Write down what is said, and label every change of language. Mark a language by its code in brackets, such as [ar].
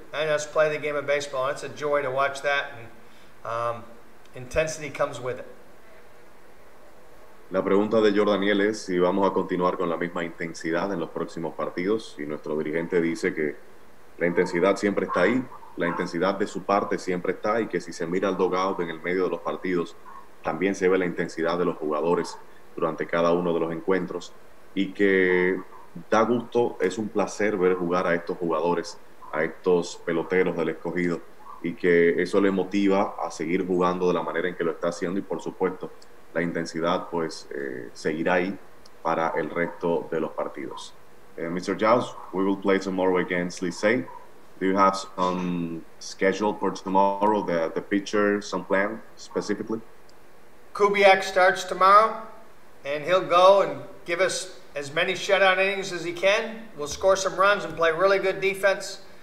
[en] And us play the game of baseball, and it's a joy to watch that, and intensity comes with it. [es] La pregunta de Jordaniel es si vamos a continuar con la misma intensidad en los próximos partidos, y nuestro dirigente dice que la intensidad siempre está ahí, la intensidad de su parte siempre está, y que si se mira al dugout en el medio de los partidos, también se ve la intensidad de los jugadores durante cada uno de los encuentros, y que da gusto, es un placer ver jugar a estos jugadores, a estos peloteros del Escogido, y que eso le motiva a seguir jugando de la manera en que lo está haciendo, y por supuesto, la intensidad pues seguirá ahí para el resto de los partidos. [en] Mr. Jaws, we will play tomorrow against Licey. Do you have some schedule for tomorrow, the pitcher, some plan specifically? Kubiak starts tomorrow, and he'll go and give us as many shutout innings as he can. We'll score some runs and play really good defense.